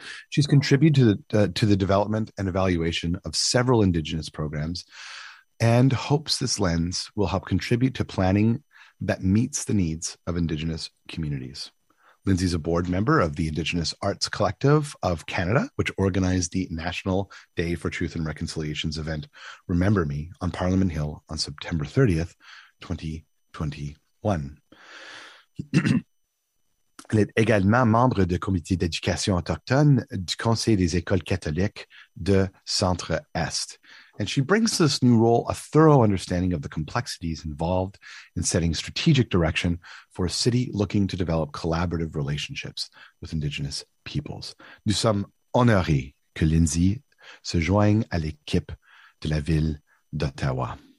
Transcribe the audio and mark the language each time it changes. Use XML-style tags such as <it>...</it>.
<en>She's contributed to the development and evaluation of several Indigenous programs and hopes this lens will help contribute to planning that meets the needs of Indigenous communities. Lindsay's a board member of the Indigenous Arts Collective of Canada, which organized the National Day for Truth and Reconciliation's event, Remember Me, on Parliament Hill on September 30th, 2021.</en> <fr>Elle est également membre du comité d'éducation autochtone du Conseil des écoles catholiques de Centre-Est.</fr> <en>And she brings to this new role a thorough understanding of the complexities involved in setting strategic direction for a city looking to develop collaborative relationships with Indigenous peoples.</en> <fr>Nous sommes honorés que Lindsay se joigne à l'équipe de la ville d'Ottawa.</fr>